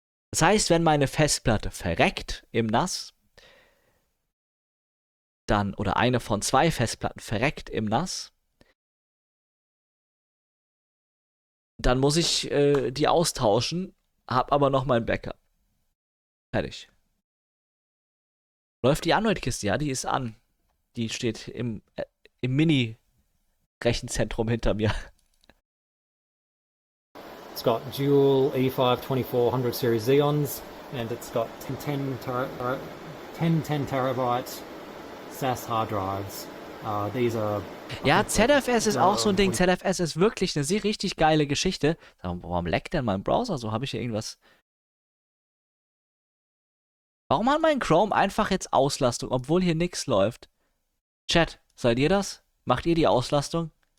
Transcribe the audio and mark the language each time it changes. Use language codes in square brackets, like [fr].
[de] Das heißt, wenn meine Festplatte verreckt im NAS, dann, oder eine von zwei Festplatten verreckt im NAS, dann muss ich die austauschen, habe aber noch mein Backup. Fertig. Läuft die Android-Kiste? Ja, die ist an. Die steht im Mini-Rechenzentrum hinter mir. [en] It's got dual E5-2400 Series Xeons and it's got 10 terabyte SAS Hard Drives. These are... [de] Ja, ZFS ist auch so ein Ding. ZFS ist wirklich eine sehr richtig geile Geschichte. Warum leckt denn mein Browser so? Habe ich hier irgendwas... Warum hat mein Chrome einfach jetzt Auslastung, obwohl hier nichts läuft? Chat, seid ihr das? Macht ihr die Auslastung?